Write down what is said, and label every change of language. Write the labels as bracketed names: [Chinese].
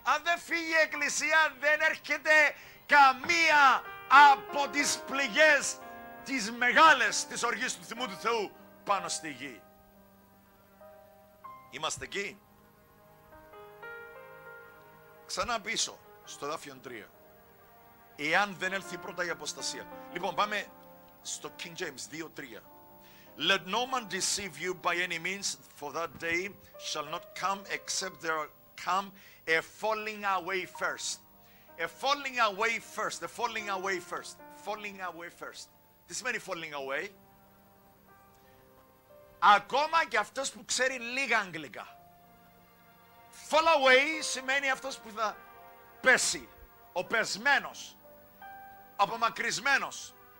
[Greek] Αν δεν φύγει η εκκλησία, δεν έρχεται καμία από τις πληγές τις μεγάλες της οργής του θυμού του Θεού πάνω στη γη. Είμαστε εκεί. Ξανά πίσω στο δάφιον 3. Εάν δεν έλθει πρώτα η αποστασία. Λοιπόν, πάμε στο King James 2:3. [English] Let no man deceive you by any means, for that day shall not come except there come a falling away first. A falling away first, a falling away first, falling away first. [Greek] Τι σημαίνει falling away? Ακόμα και αυτός που ξέρει λίγα αγγλικά. Fall away σημαίνει αυτός που θα πέσει, ο πεσμένος, απομακρυσμένος.